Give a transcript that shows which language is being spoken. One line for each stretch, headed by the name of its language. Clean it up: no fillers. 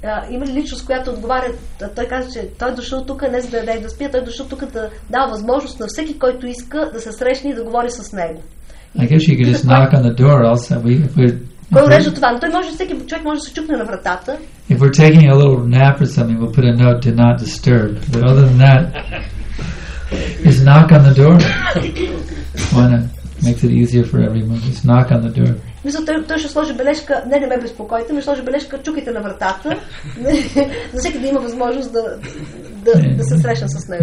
Bulgarian: Има ли личност, която отговаря, той казва, че той дошъл тук не за да да спи, той дошъл тук да дава възможност на всеки, който иска да се срещне и да говори с него.
English: I guess you could just knock on the door also.
Bulgarian: Кой урежда това? Но той може, всеки човек може да се чукне на вратата.
English: If we're taking a little nap or something, we'll put a note, do not disturb. But other than that, just knock on the door. Why not? Makes it easier for everyone. Just knock on the door.
Bulgarian: Мисля, той ще сложи бележка, не ме безпокойте, но ще сложи бележка, чукайте на вратата, за всеки да има възможност да се срещна с него.